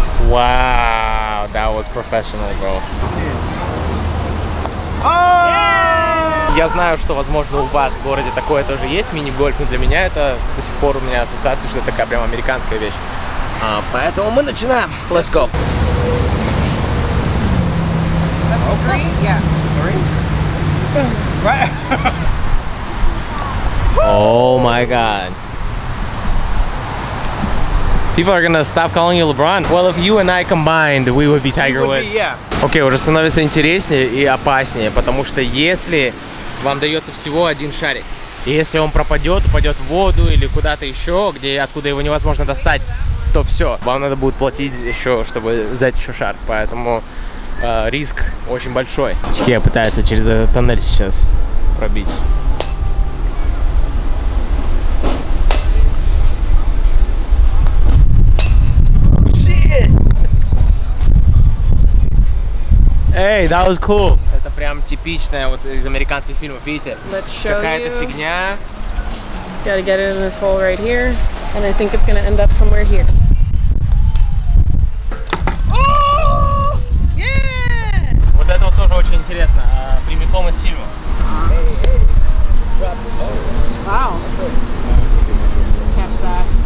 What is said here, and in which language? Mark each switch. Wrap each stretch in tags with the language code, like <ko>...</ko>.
<en>Wow, that was professional, bro.</en> <ru>Я знаю, что, возможно, у вас в городе такое тоже есть, мини-гольф, но для меня это до сих пор у меня ассоциация, что это такая прям американская вещь. Поэтому мы начинаем.</ru> <en>Let's go. That's three? Yeah. Three? Right. Oh my god. People are gonna stop calling you LeBron. Well, if you and I combined, we would be Tiger would Woods. Be, yeah.</en> <ru>Okay, уже становится интереснее и опаснее, потому что если... Вам дается всего один шарик. И если он пропадет, упадет в воду или куда-то еще, где, откуда его невозможно достать, то все. Вам надо будет платить еще, чтобы взять еще шар. Поэтому риск очень большой. Тихия пытается через этот тоннель сейчас пробить.</ru> <en>Эй, that was cool.</en> <ru>Прям типичная вот из американских фильмов, видите?</ru> <en>Let's show</en> <ru>какая-то</ru> <en>you.</en> <ru>Фигня.</ru> <en>Gotta get it in this hole right here, and I think it's gonna end up somewhere here. Oh! Yeah!</en> <ru>Вот это вот тоже очень интересно, прямиком из фильма.</ru> <en>Wow. Catch that.</en>